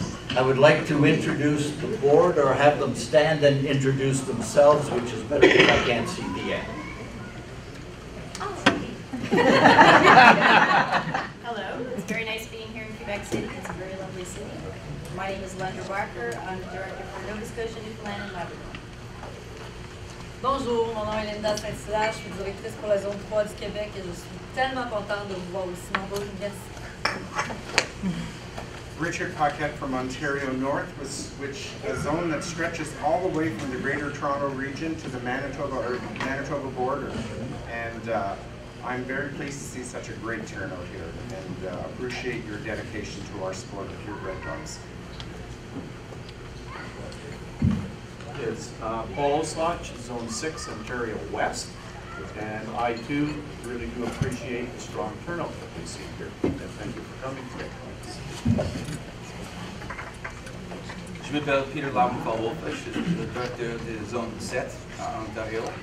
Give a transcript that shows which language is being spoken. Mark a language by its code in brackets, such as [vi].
[en] I would like to introduce the board or have them stand and introduce themselves, which is better if I can't see the end. Hello, it's very nice being here in Quebec City. It's a very lovely city. My name is Linda Barker. I'm the director for Nova Scotia, Newfoundland, and Labrador. [fr] Bonjour, mon nom est Linda Saint-Sylla. Je suis directrice pour la zone 3 du Québec et je suis tellement contente de vous voir aussi nombreux. Merci. [en] Richard Paquette from Ontario North, which a zone that stretches all the way from the Greater Toronto Region to the Manitoba border. And I'm very pleased to see such a great turnout here and appreciate your dedication to our sport of your Red Dogs. It's Paul Osloch, Zone 6, Ontario West, and I too really do appreciate the strong turnout that we see here. And thank you for coming today. Thanks. [fr] Je m'appelle Peter Lamont-Wolf, je suis le directeur de Zone 7, Ontario.